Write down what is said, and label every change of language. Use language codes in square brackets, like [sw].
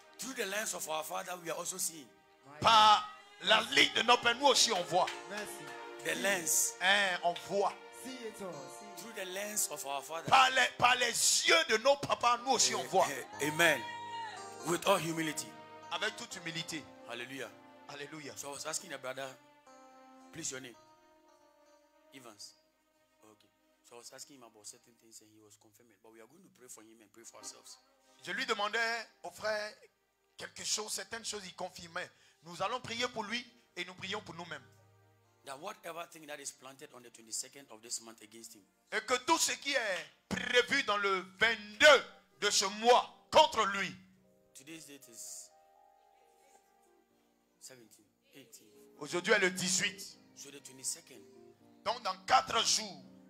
[en] Through the lens of our Father, we are also seeing. [fr] Par la ligne de notre Père, nous aussi on voit. Merci. [en] The lens. [fr] Hein, on voit. [en] See it all. See. Through the lens of our Father. [fr] Par les yeux de nos papas, nous aussi on voit. [en] Amen. With all humility. [fr] Avec toute humilité. Hallelujah. Hallelujah. [en] So I was asking a brother, please your name. Evans. So I was asking him about certain things and he was confirming. But we are going to pray for him and pray for ourselves. [fr] Je lui demandais au frère quelque chose, certaines choses, il confirmait. Nous allons prier pour lui et nous prions pour nous-mêmes. [en] That whatever thing that is planted on the 22nd of this month against him. [fr] Et que tout ce qui est prévu dans le 22 de ce mois contre lui. [en] Today's date is 17, 18. [fr] Aujourd'hui est le 18. [en] So the 22nd. [fr] Donc dans 4 jours.